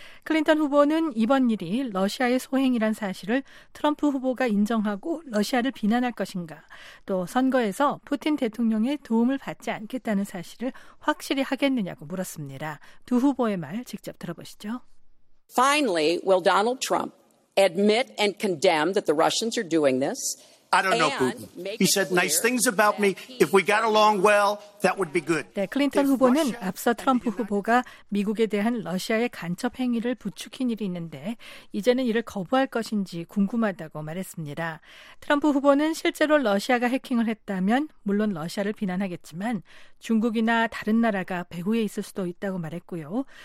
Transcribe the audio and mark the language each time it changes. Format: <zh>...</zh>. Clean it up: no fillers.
<ko>클린턴 후보는 이번 일이 러시아의 소행이란 사실을 트럼프 후보가 인정하고 러시아를 비난할 것인가, 또 선거에서 푸틴 대통령의 도움을 받지 않겠다는 사실을 확실히 하겠느냐고 물었습니다. 두 후보의 말 직접 들어보시죠.</ko> <en>Finally, will Donald Trump admit and condemn that the Russians are doing this? I don't know Putin. He said nice things about me. If we got along well, that would be good.</en> <ko>네, 클린턴 후보는 앞서 트럼프 후보가 미국에 대한 러시아의 간첩 행위를 부추긴 일이 있는데 이제는 이를 거부할 것인지 궁금하다고 말했습니다. 트럼프 후보는 실제로 러시아가 해킹을 했다면 물론 러시아를 비난하겠지만 중국이나 다른 나라가 배후에 있을 수도 있다고 말했고요.</ko>